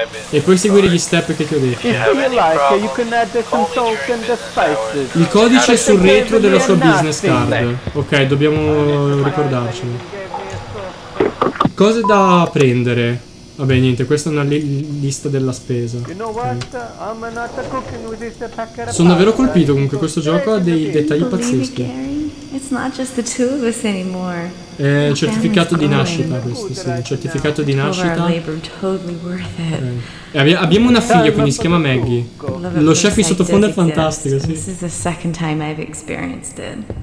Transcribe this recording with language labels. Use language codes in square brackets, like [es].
[it] E poi seguire gli step che ti ho detto. Il codice è sul retro della sua business card. Ok, dobbiamo ricordarcelo. Cose da prendere. Vabbè, niente, questa è una lista della spesa. Okay. Sono davvero colpito, comunque questo gioco ha dei dettagli pazzeschi. [en] It's not just the two of us anymore. [it] È un certificato di nascita questo, sì. Un certificato di nascita. [en] Totally worth it. Okay. [it] E abbiamo una figlia, quindi si chiama Maggie. Lo chef in sottofondo è fantastico, sì. [en] This is the second time I've experienced it.